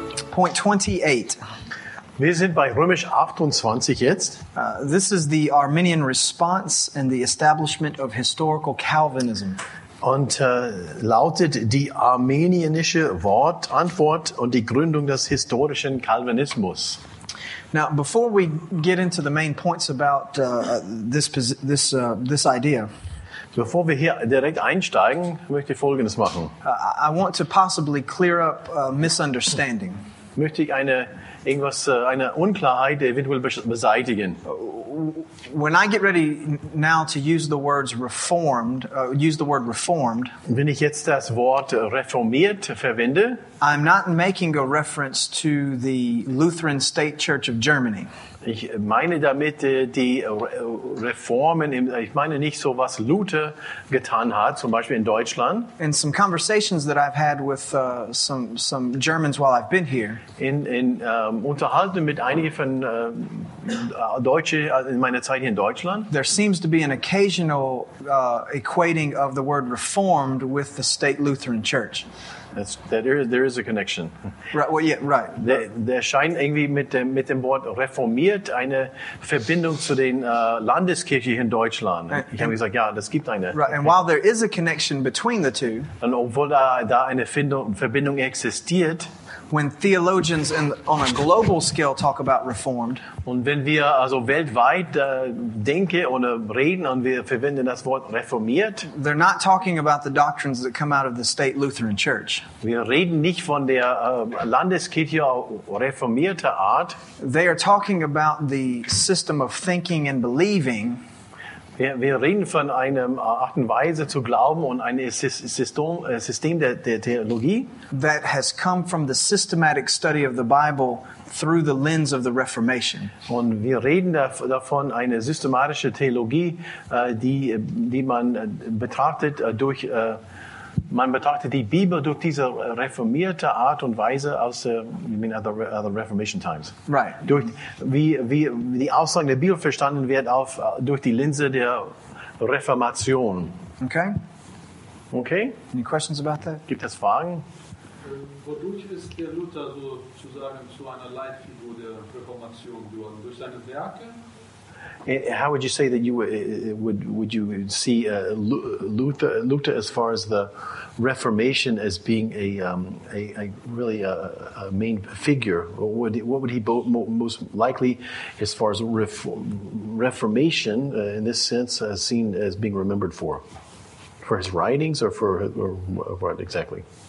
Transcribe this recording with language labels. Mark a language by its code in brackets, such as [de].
[en] Point 28. [de] Wir sind bei Römisch 28 jetzt. [en] This is the Arminian response and the establishment of historical Calvinism. [de] Und lautet die armenianische Antwort und die Gründung des historischen Calvinismus. [en] Now, before we get into the main points about this idea. [de] Bevor wir hier direkt einsteigen, möchte ich Folgendes machen. [en] I want to possibly clear up a misunderstanding. [de] Möchte ich eine Unklarheit eventuell beseitigen. [en] When I get ready now to use the words reformed, [de] wenn ich jetzt das Wort reformiert verwende, [en] I'm not making a reference to the Lutheran State Church of Germany. [de] Ich meine damit die Reformen, ich meine nicht so, was Luther getan hat, zum Beispiel in Deutschland. [en] In some conversations that I've had with some Germans while I've been here. [de] In Unterhalten mit einigen von Deutschen in meiner Zeit hier in Deutschland. [en] There seems to be an occasional equating of the word reformed with the state Lutheran Church. There is a connection. Right. Well, yeah. Right. [de] Der scheint irgendwie mit dem Wort reformiert eine Verbindung zu den Landeskirche hier in Deutschland. Ich habe gesagt, ja, das gibt eine. [en] Right. And while there is a connection between the two, [de] und obwohl da eine Verbindung existiert. [en] When theologians on a global scale talk about reformed, [de] und wenn wir also weltweit denken oder reden und wir verwenden das Wort reformiert, [en] they're not talking about the doctrines that come out of the state Lutheran Church. [de] Wir reden nicht von der Landeskirche reformierter Art. [en] They are talking about the system of thinking and believing. [de] Wir reden von einem Art und Weise zu glauben und ein System der Theologie, [en] that has come from the systematic study of the Bible through the lens of the Reformation. [de] Und wir reden davon eine systematische Theologie, die man betrachtet durch man betrachtet die Bibel durch diese reformierte Art und Weise aus [en] the Reformation times. Right. [de] Durch wie die Aussagen der Bibel verstanden wird auf durch die Linse der Reformation. [en] Okay. Okay. Any questions about that? [de] Gibt es Fragen? Wodurch ist der Luther sozusagen zu einer Leitfigur der Reformation geworden? Durch seine Werke? [en] How would you say that you would you see Luther as far as the Reformation as being a really main figure? What would he most likely as far as Reformation in this sense seen as being remembered for his writings or for what exactly?